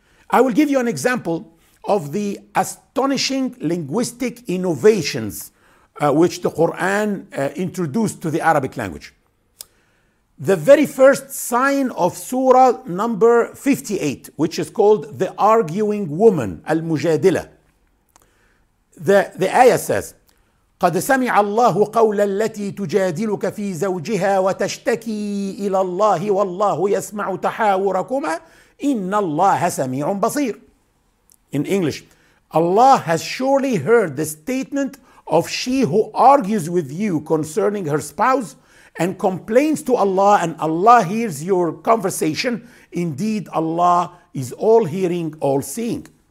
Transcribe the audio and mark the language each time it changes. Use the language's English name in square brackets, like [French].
[English] I will give you an example of the astonishing linguistic innovations which the Quran introduced to the Arabic language. The very first sign of Surah number 58, which is called the Arguing Woman, Al-Mujadila. The ayah says, [Arabic] قَدْ سَمِعَ اللَّهُ قَوْلَ الَّتِي تُجَادِلُكَ فِي زَوْجِهَا وَتَشْتَكِي إِلَى اللَّهِ وَاللَّهُ يَسْمَعُ تَحَاوُرَكُمَا إِنَّ اللَّهَ سَمِيعٌ بَصِيرٌ. [English] In English, Allah has surely heard the statement of she who argues with you concerning her spouse and complains to Allah, and Allah hears your conversation. Indeed, Allah is all hearing, all seeing.